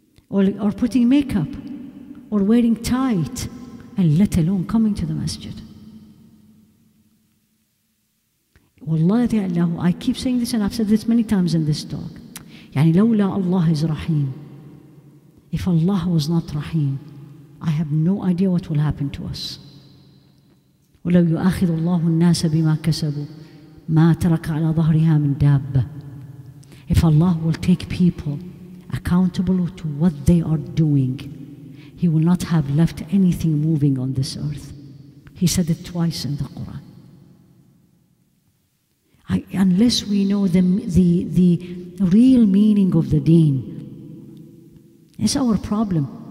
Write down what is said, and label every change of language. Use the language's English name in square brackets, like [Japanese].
[English] Or putting makeup or wearing tight and let alone coming to the masjid. Wallahi Allah, I keep saying this and I've said this many times in this talk. Yani lawla Allah is Rahim. If Allah was not Rahim, I have no idea what will happen to us. [Arabic] ولو يؤاخذ الله الناس بما كسبوا ما ترك على ظهرها من دابة. [English] If Allah will take people accountable to what they are doing, He will not have left anything moving on this earth. He said it twice in the Quran. Unless we know the real meaning of the deen, it's our problem.